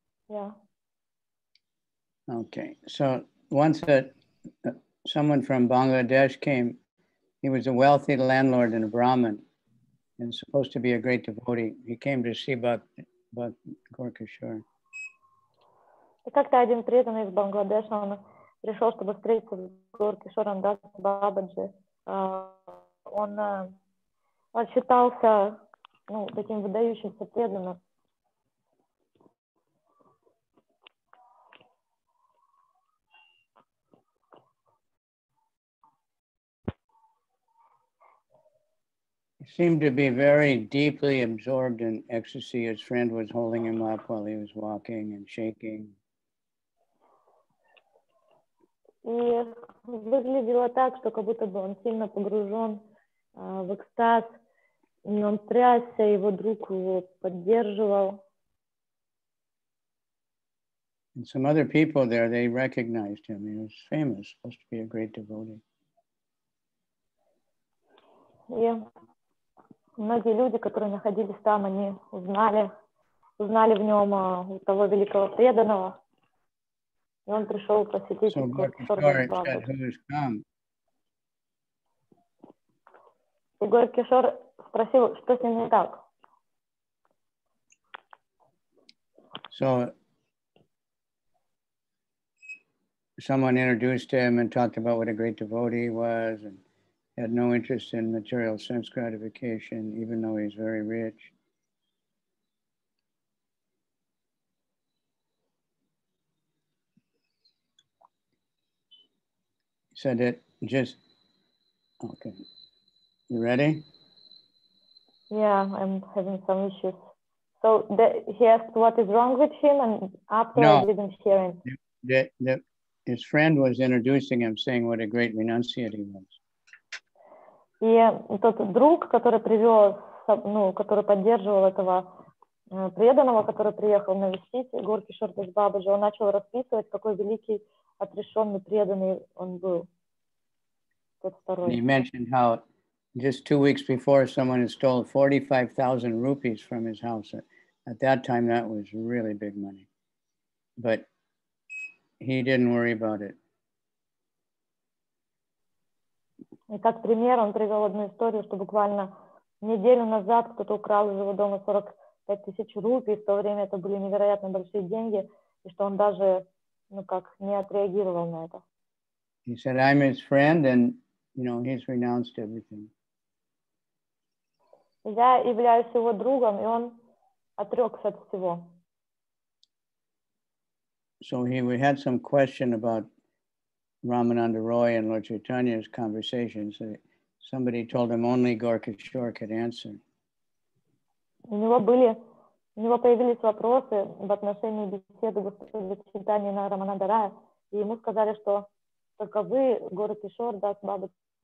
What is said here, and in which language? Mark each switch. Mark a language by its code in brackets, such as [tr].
[en] Yeah. Okay, so once someone from Bangladesh came, he was a wealthy landlord and a Brahmin, and supposed to be a great devotee. He came to see Bhakti Gaur-Kishore. [ru] И как-то один преданный из Бангладеш, он пришел, чтобы встретиться с Гаур-Кишором Дас Бабаджи. Он отчитался ну, таким выдающимся преданным. [en] He seemed to be very deeply absorbed in ecstasy. His friend was holding him up while he was walking and shaking. [ru] И выглядело так, что как будто бы он сильно погружен в экстаз. И он трясся, его друг его поддерживал. [en] And some other people there, they recognized him. He was famous, supposed to be a great devotee. [ru] И многие люди, которые находились там, они узнали в нем того великого преданного. И он пришел посетить. [en] So Гаур-Кишор said, who has come? [ru] И Гаур-Кишор спросил, что с ним не так. [en] So, someone introduced him and talked about what a great devotee he was and had no interest in material sense gratification, even though he's very rich. Said it just, okay, you ready? Yeah, I'm having some issues. So he asked what is wrong with him, and after no, I didn't hear him. His friend was introducing him, saying what a great renunciate he was. [ru] И тот друг, который привел, ну, который поддерживал этого преданного, который приехал навестить Гаур-Кишор Дас Бабаджи, он начал расписывать, какой великий отрешенный преданный он был. [en] He mentioned how just 2 weeks before someone had stole 45,000 rupees from his house. At that time, that was really big money. But he didn't worry about it. [ru] И как пример, он привел одну историю, что буквально неделю назад кто-то украл из его дома 45 тысяч рупий. В то время это были невероятно большие деньги, и что он даже, ну как, не отреагировал на это. [en] He said, I'm his friend, and you know, he's renounced everything. [ru] Я являюсь его другом, и он отрекся от всего. [en] So we had some question about Ramananda Roy and Lord Chaitanya's conversations. Somebody told him only Gaur-Kishore could answer. [ru] У него появились вопросы в отношении беседы Господа Чайтаньи на Рамананда Рая, и ему сказали, что только вы, Гаур-Кишор Дас Бабаджи,